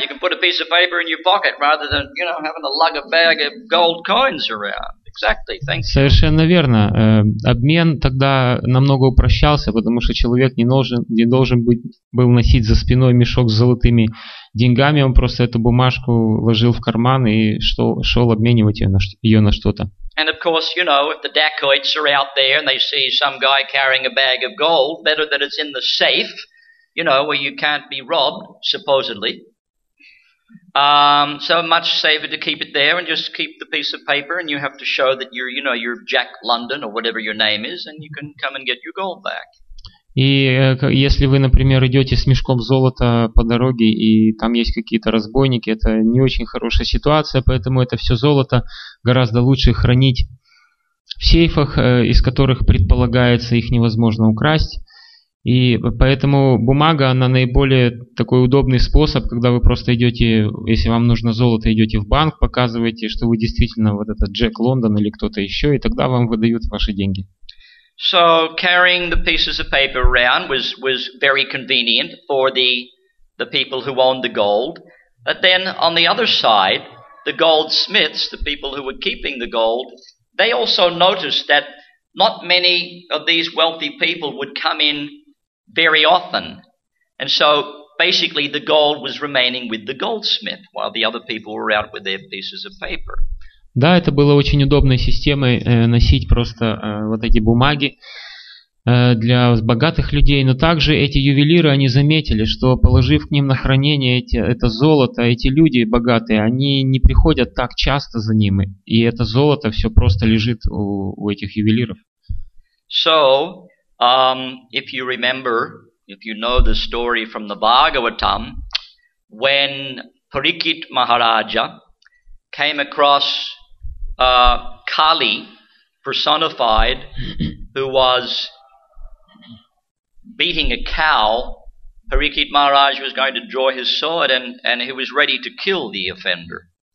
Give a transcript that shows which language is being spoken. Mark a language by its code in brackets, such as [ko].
[en] You can put a piece of paper in your pocket rather than, you know, having to lug a bag of gold coins around. Exactly, thank you. [ru] Совершенно верно. Обмен тогда намного упрощался, потому что человек не должен был носить за спиной мешок с золотыми деньгами, он просто эту бумажку вложил в карман и шел обменивать ее на что-то. [en] And of course, you know, if the dacoits are out there and they see some guy carrying a bag of gold, better that it's in the safe, you know, where you can't be robbed, supposedly. So much safer to keep it there and just keep the piece of paper, and you have to show that you're, you know, you're Jack London or whatever your name is, and you can come and get your gold back. [ru] И если вы, например, идете с мешком золота по дороге, и там есть какие-то разбойники, это не очень хорошая ситуация, поэтому это все золото гораздо лучше хранить в сейфах, из которых предполагается их невозможно украсть. И поэтому бумага, она наиболее такой удобный способ, когда вы просто идете, если вам нужно золото, идете в банк, показываете, что вы действительно вот этот Джек Лондон или кто-то еще, и тогда вам выдают ваши деньги. [en] So carrying the pieces of paper around was very convenient for the people who owned the gold. But then on the other side, the goldsmiths, the people who were keeping the gold, they also noticed that not many of these wealthy people would come in very often. And so basically the gold was remaining with the goldsmith while the other people were out with their pieces of paper. [ru] Да, это было очень удобной системой носить просто вот эти бумаги для богатых людей. Но также эти ювелиры, они заметили, что положив к ним на хранение это золото, эти люди богатые, они не приходят так часто за ним. И это золото все просто лежит у этих ювелиров. [en] So, if you remember, if you know the story from the Bhagavatam, when Parikit Maharaja came across Kali personified, who was beating a cow, Parikit Maharaj was going to draw his sword and he was ready to kill the offender.